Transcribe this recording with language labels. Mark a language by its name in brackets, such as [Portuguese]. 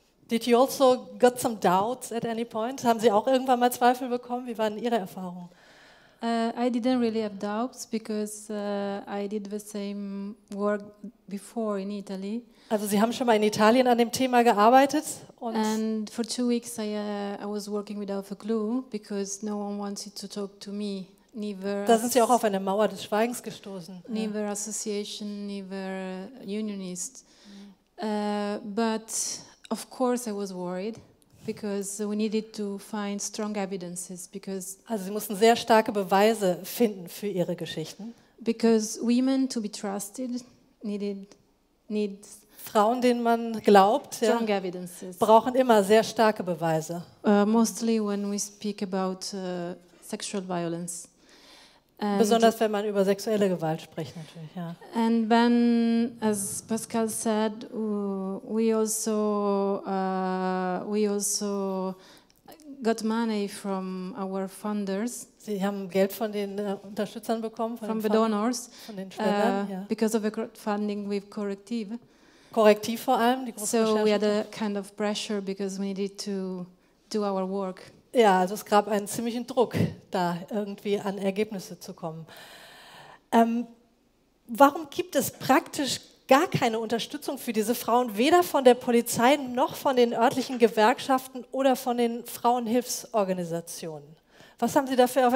[English] Did you also got some doubts at any point? [German] Haben Sie auch irgendwann mal Zweifel bekommen? Wie waren Ihre Erfahrungen? [English] I didn't really have doubts because I did the same work before in Italy. [German] Also Sie haben schon mal in Italien an dem Thema gearbeitet? [English] And for 2 weeks I was working without a clue because no one wanted to talk to me. Neither. [German] Da sind Sie auch auf eine Mauer des Schweigens gestoßen. [English] Neither association, neither unionist. But of course I was worried. Because we needed to find strong evidences. Because [German] also Sie mussten sehr starke Beweise finden für Ihre Geschichten. [English] Because women to be trusted need [German] Frauen, denen man glaubt, [English] strong evidences. [German] Brauchen immer sehr starke Beweise. [English] Mostly when we speak about sexual violence. [German] And besonders wenn man über sexuelle Gewalt spricht natürlich, ja. [English] And then, as Pascal said, we also got money from our funders. [German] Sie haben Geld von den Unterstützern bekommen, [English] from the donors, [German] von den Spendern, ja. [English] Because of the crowdfunding with Correctiv. [German] Correctiv vor allem, die große Recherche. [English] So we had a kind of pressure because we needed to do our work. [German] Ja, also es gab einen ziemlichen Druck, da irgendwie an Ergebnisse zu kommen. Warum gibt es praktisch gar keine Unterstützung für diese Frauen, weder von der Polizei noch von den örtlichen Gewerkschaften oder von den Frauenhilfsorganisationen? Was haben Sie dafür?